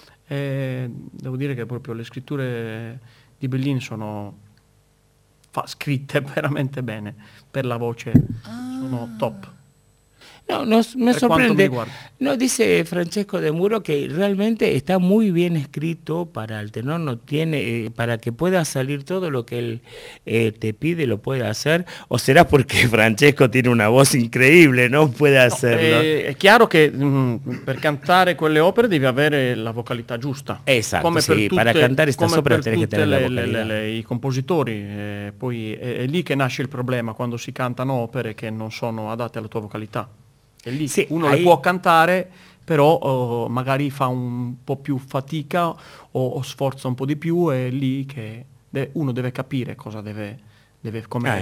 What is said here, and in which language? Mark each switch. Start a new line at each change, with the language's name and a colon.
Italian: E devo dire che proprio le scritture di Bellini sono scritte veramente bene per la voce, sono top.
Spanish: No, me sorprende. No, dice Francesco De Muro que realmente está muy bien escrito para el tenor, no tiene, para que pueda salir todo lo que él te pide, lo puede hacer. ¿O será porque Francesco tiene una voz increíble, no puede hacerlo?
Italian: È chiaro che per cantare quelle opere devi avere la vocalità giusta. Esatto, come sì, per cantare questa opera tiene che tenere la vocalità. I compositori, poi è lì che nasce il problema, quando si cantano opere che non sono adatte alla tua vocalità. È lì. Sì, uno le può cantare, però magari fa un po' più fatica o sforza un po' di più, è lì che uno deve capire cosa deve come.